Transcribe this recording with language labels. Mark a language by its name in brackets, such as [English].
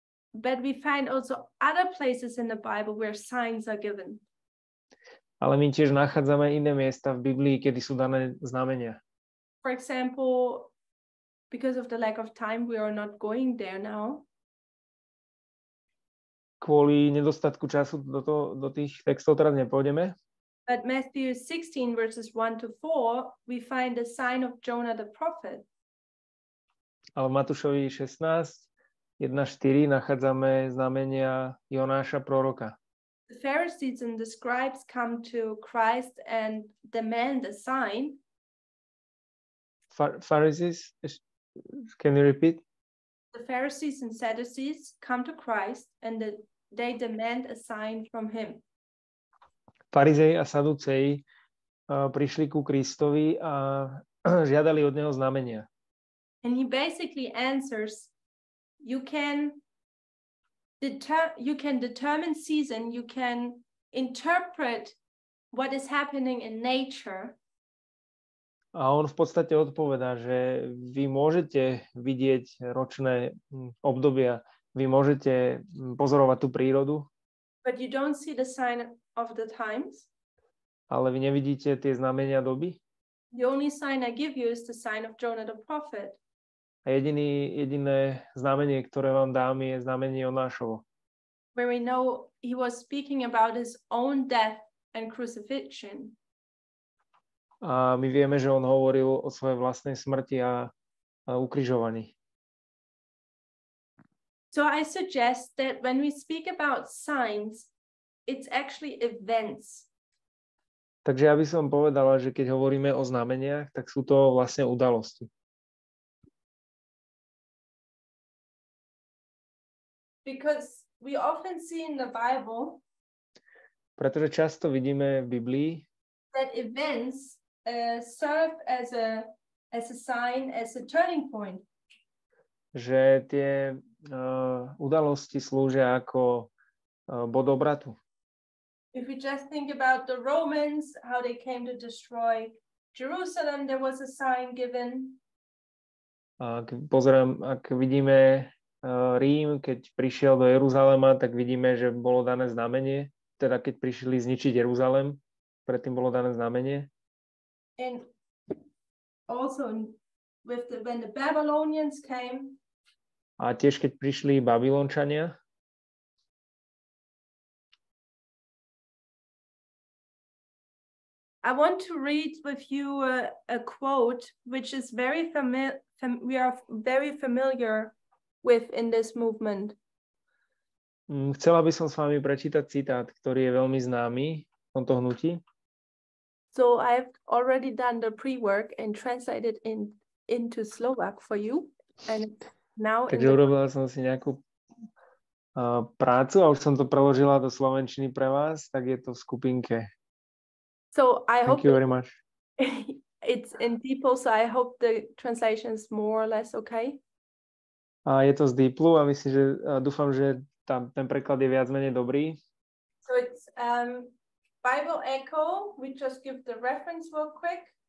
[English] But we find also other places in the Bible where signs are given. [Slovak] Ale my tiež nachádzame iné miesta v Biblii, kedy sú dané znamenia. [English] For example, because of the lack of time, we are not going there now. [Slovak] Kvôli nedostatku času do tých textov teraz nepôjdeme. [English] But Matthew 16 verses 1 to 4, we find the sign of Jonah the prophet. [Slovak] Ale v Matúšovi 16, 1-4 nachádzame znamenia Jonáša proroka. [English] The Pharisees and the scribes come to Christ and demand a sign. Pharisees, can you repeat? The Pharisees and Sadducees come to Christ and they demand a sign from him. [Slovak] Farizei a Saduceji prišli ku Kristovi a žiadali od neho znamenia. [English] And he basically answers, You can determine season, you can interpret what is happening in nature. [Slovak] A on v podstate odpovedá, že vy môžete vidieť ročné obdobia, vy môžete pozorovať tú prírodu. [English] But you don't see the sign of the times. [Slovak] Ale vy nevidíte tie znamenia doby. [English] The only sign I give you is the sign of Jonah the prophet. [Slovak] A jediné znamenie, ktoré vám dám, je znamenie Jonášovo. [English] Where we know he was speaking about his own death and crucifixion. [Slovak] A my vieme, že on hovoril o svojej vlastnej smrti a ukrižovaní. [English] So I suggest that when we speak about signs, it's actually events. [Slovak] Takže ja by som povedala, že keď hovoríme o znameniach, tak sú to vlastne udalosti. [English] Because we often see in the Bible, [Slovak] pretože často vidíme v Biblii, [English] that events serve as a sign, as a turning point. [Slovak] Že tie udalosti slúžia ako bod obratu. [English] If we just think about the Romans, how they came to destroy Jerusalem, there was a sign given. [Slovak] Ak vidíme Rím, keď prišiel do Jeruzalema, tak vidíme, že bolo dané znamenie. Teda keď prišli zničiť Jeruzalem, predtým bolo dané znamenie. [English] And also when the Babylonians came. [Slovak] A tiež keď prišli Babylončania. [English] I want to read with you a quote which is very familiar with in this movement. [Slovak] Chcela by som s vami prečítať citát, ktorý je veľmi známy v tomto hnutí. [English] So I have already done the pre-work and translated into Slovak for you. And now [Slovak] takže urobila som si nejakú prácu a už som to preložila do slovenčiny pre vás, tak je to v skupinke. [English] So I Thank hope you very much. It's in people, so I hope the translation is more or less okay. [Slovak] A je to z Deeplu a myslím, že a dúfam, že tam ten preklad je viac menej dobrý. [English] So it's Bible Echo, we just give the reference real quick.